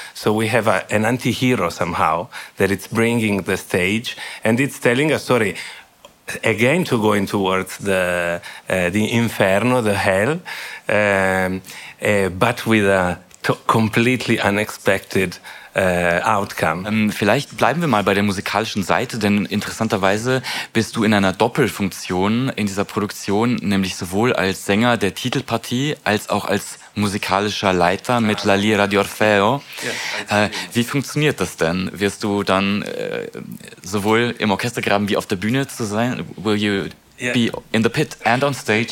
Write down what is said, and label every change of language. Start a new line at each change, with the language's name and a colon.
English: So we have an anti-hero somehow that it's bringing the stage and it's telling a story, again, to going towards the inferno, the hell, but with a completely unexpected outcome.
German: Vielleicht bleiben wir mal bei der musikalischen Seite, denn interessanterweise bist du in einer Doppelfunktion in dieser Produktion, nämlich sowohl als Sänger der Titelpartie als auch als musikalischer Leiter mit La Lira di Orfeo. Yes, wie funktioniert das denn? Wirst du dann sowohl im Orchestergraben wie auf der Bühne zu sein?
English: Will you be in the pit and on stage?